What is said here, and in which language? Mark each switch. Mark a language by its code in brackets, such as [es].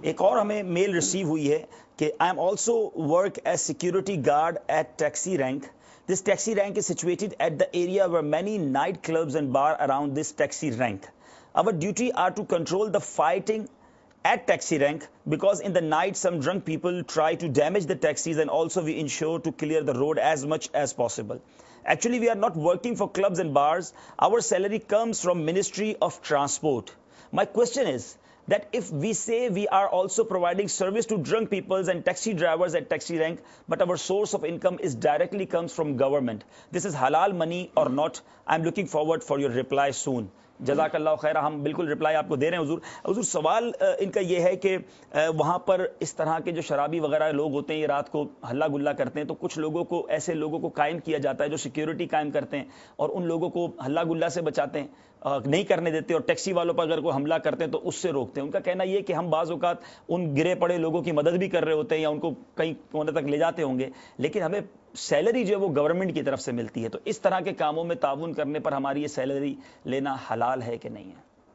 [ur] ایک اور ہمیں میل ریسیو ہوئی ہے کہ [en] I am also work as security guard at taxi rank, this taxi rank is situated at the area where many night clubs and bar around this taxi rank, our duty are to control the fighting at taxi rank because in the night some drunk people try to damage the taxis and also we ensure to clear the road as much as possible. Actually, we are not working for clubs and bars. Our salary comes from Ministry of Transport. My question is that if we say we are also providing service to drunk people and taxi drivers at taxi rank, but our source of income is directly comes from government, this is halal money or not? I'm looking forward for your reply soon. [ur] جزاک اللہ خیر، ہم بالکل reply آپ کو دے رہے ہیں حضور۔ حضور، سوال ان کا یہ ہے کہ وہاں پر اس طرح کے جو شرابی وغیرہ لوگ ہوتے ہیں، یہ رات کو ہلا گلا کرتے ہیں، تو کچھ لوگوں کو، ایسے لوگوں کو قائم کیا جاتا ہے جو سیکیورٹی قائم کرتے ہیں اور ان لوگوں کو ہلا گلا سے بچاتے ہیں، نہیں کرنے دیتے، اور ٹیکسی والوں پر اگر کوئی حملہ کرتے ہیں تو اس سے روکتے ہیں۔ ان کا کہنا یہ کہ ہم بعض اوقات ان گرے پڑے لوگوں کی مدد بھی کر رہے ہوتے ہیں یا ان کو کہیں کونے تک لے جاتے ہوں گے، لیکن ہمیں سیلری جو ہے وہ گورنمنٹ کی طرف سے ملتی ہے، تو اس طرح کے کاموں میں تعاون کرنے پر ہماری یہ سیلری لینا حلال ہے کہ نہیں ہے؟